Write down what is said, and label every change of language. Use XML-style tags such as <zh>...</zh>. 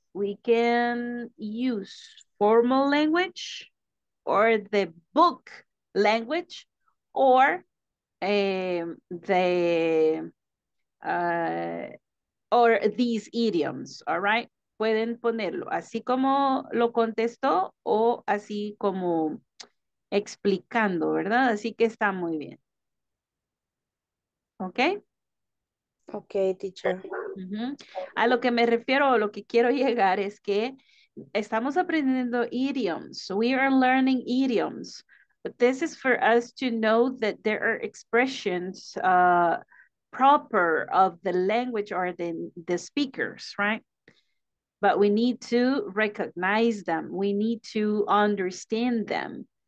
<en>We can use formal language or the book language or these idioms, all right?</en> <es>Pueden ponerlo así como lo contestó o así como... explicando, ¿verdad? Así que está muy bien. ¿Ok?</es> <en>Ok, teacher. Uh-huh.</en> <es>A lo que me refiero, lo que quiero llegar es que estamos aprendiendo idioms.</es> <en>We are learning idioms. But this is for us to know that there are expressions proper of the language or the speakers, right? But we need to recognize them. We need to understand them.</en>